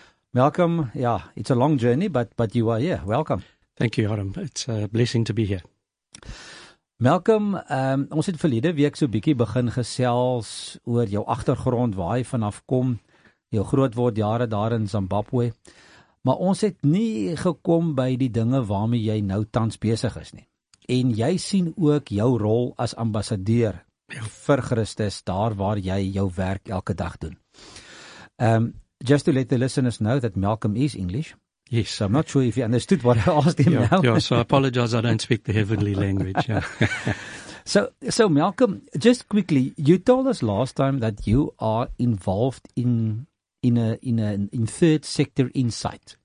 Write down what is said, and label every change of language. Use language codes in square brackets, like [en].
[en] Welcome, yeah, it's a long journey, but you are here, welcome. Thank you, Harm, it's a blessing to be here. [af] Malcolm, ons het verlede week so bietjie begin gesels oor jou agtergrond, waar jy vanaf kom, jou grootword jare daar in Zimbabwe. Maar ons het nie gekom by die dinge waarmee jy nou tans besig is nie. En jy sien ook jou rol as ambassadeur vir Christus daar waar jy jou werk elke dag doen. [en] Just to let the listeners know that Malcolm is English. Yes, I'm not sure if you understood what I asked him now. Yeah, so I apologize, I don't speak the heavenly language. Yeah. So Malcolm, just quickly, you told us last time that you are involved in third sector insight.